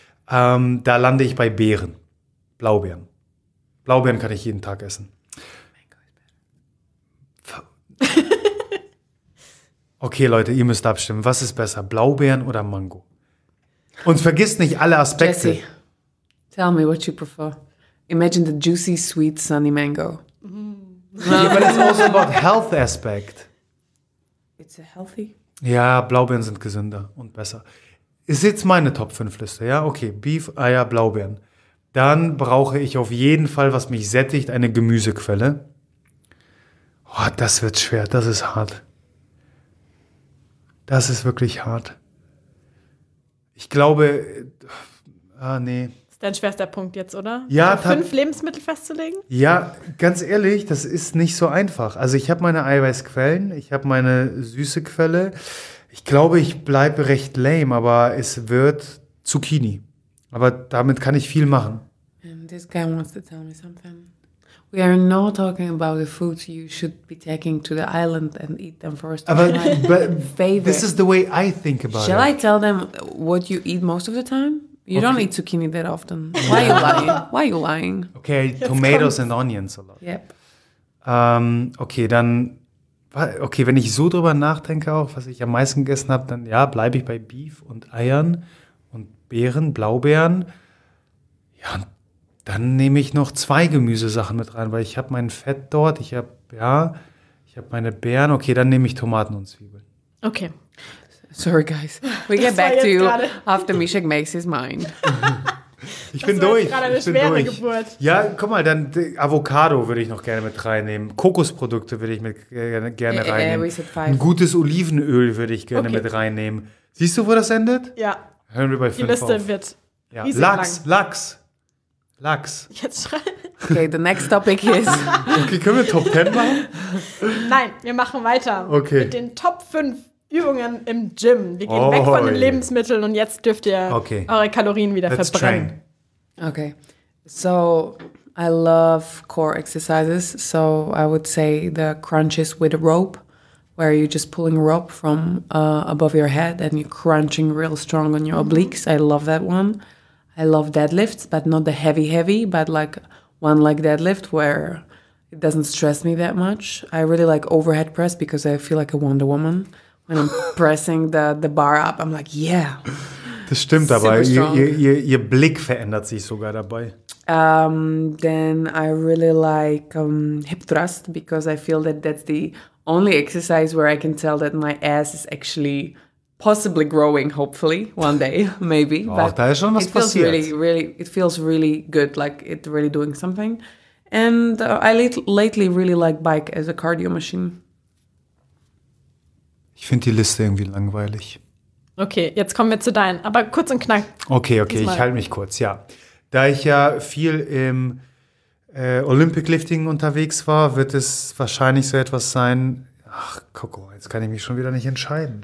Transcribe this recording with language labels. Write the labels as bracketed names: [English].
[German] Da lande ich bei Beeren, Blaubeeren. Blaubeeren kann ich jeden Tag essen. Okay, Leute, ihr müsst abstimmen. Was ist besser, Blaubeeren oder Mango? Und vergisst nicht alle Aspekte. [English] Jesse, tell me what you prefer. Imagine the juicy, sweet, sunny mango. But it's also about health aspect. It's a healthy. [German] Ja, Blaubeeren sind gesünder und besser. Ist jetzt meine Top 5 Liste, ja? Okay, Beef, Eier, Blaubeeren. Dann brauche ich auf jeden Fall, was mich sättigt, eine Gemüsequelle. Oh, das wird schwer, das ist hart. Das ist wirklich hart. Ich glaube, nee. Ist dein schwerster Punkt jetzt, oder? Ja, fünf Lebensmittel festzulegen? Ja, ganz ehrlich, das ist nicht so einfach. Also ich habe meine Eiweißquellen, ich habe meine süße Quelle. Ich glaube, ich bleibe recht lame, aber es wird Zucchini. Aber damit kann ich viel machen. [English] And this guy wants to tell me something. We are not talking about the food you should be taking to the island and eat them first. But this is the way I think about Shall it. Shall I tell them what you eat most of the time? You okay. don't eat zucchini that often. Yeah. Why are you lying? Okay, tomatoes and onions a lot. Yep. [German] Okay, wenn ich so drüber nachdenke auch, was ich am meisten gegessen habe, dann ja, bleibe ich bei Beef und Eiern und Beeren, Blaubeeren. Ja, dann nehme ich noch 2 Gemüsesachen mit rein, weil ich habe mein Fett dort, ich habe meine Beeren. Okay, dann nehme ich Tomaten und Zwiebeln. Okay. [English] Sorry, guys. We get back to you after Mishek makes his mind. [German] Ich bin durch. Das war gerade eine schwere Geburt. Ja, guck mal, dann Avocado würde ich noch gerne mit reinnehmen. Kokosprodukte würde ich mit gerne reinnehmen. Ein gutes Olivenöl würde ich gerne mit reinnehmen. Siehst du, wo das endet? Ja. Hören wir bei 5 auf. Die Liste wird riesig lang. Lachs. Jetzt schreibe. [English] Okay, the next topic is. [German] Okay, können wir Top 10 machen? Nein, wir machen weiter. Okay. Mit den Top 5 Übungen im Gym. Wir gehen weg von den Lebensmitteln und jetzt dürft ihr eure Kalorien wieder [English] Let's [German] verbrennen. [English] Train. Okay. So, I love core exercises. So, I would say the crunches with a rope, where you're just pulling a rope from above your head and you're crunching real strong on your obliques. I love that one. I love deadlifts, but not the heavy, but like one leg deadlift where it doesn't stress me that much. I really like overhead press because I feel like a Wonder Woman when I'm pressing the bar up, I'm like, yeah. [German] Das stimmt dabei. Ihr Blick verändert sich sogar dabei. [English] Then I really like hip thrust because I feel that that's the only exercise where I can tell that my ass is actually possibly growing, hopefully, one day, maybe. [German] Oh, but da ist schon was passiert. [English] It feels really, really, it feels really good, like it really doing something. And I lately really like bike as a cardio machine. [German] Ich finde die Liste irgendwie langweilig. Okay, jetzt kommen wir zu deinen, aber kurz und knack. Okay, ich halte mich kurz, ja. Da ich ja viel im Olympic Lifting unterwegs war, wird es wahrscheinlich so etwas sein. Ach, guck mal, jetzt kann ich mich schon wieder nicht entscheiden.